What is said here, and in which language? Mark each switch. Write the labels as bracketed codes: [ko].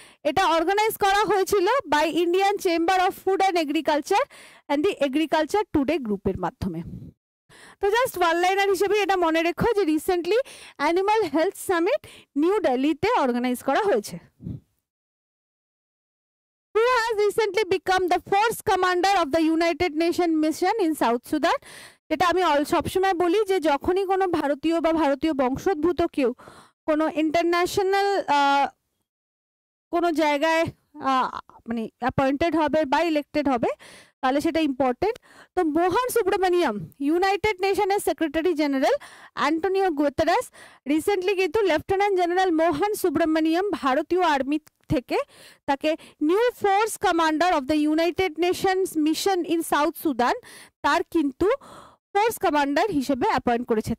[bn] এটা অর্গানাইজ করা হয়েছিল by Indian chamber of food and agriculture and the agriculture today গ্রুপের মাধ্যমে। তো জাস্ট ওয়ান লাইনার হিসেবে এটা মনে রেখো যে recently animal health summit new দিল্লিতে অর্গানাইজ করা হয়েছে। [en] Who has recently become the force commander of the United Nations mission in South Sudan? [bn] এটা আমি অল সবসময় বলি যে যখনই কোনো ভারতীয় বা ভারতীয় বংশোদ্ভূত কেউ কোনো ইন্টারন্যাশনাল কোনো জায়গায় মানে অ্যাপয়েন্টেড হবে বা ইলেক্টেড হবে, তাহলে সেটা ইম্পর্টেন্ট। তো মোহন Subramaniam, United নেশনের secretary general Antonio Guterres recently কিন্তু লেফটেন্যান্ট জেনারেল মোহন সুব্রমণিয়াম ভারতীয় আর্মি থেকে তাকে new force commander of the United Nations mission in south Sudan তার কিন্তু ফোর্স কমান্ডার হিসেবে অ্যাপয়েন্ট করেছে।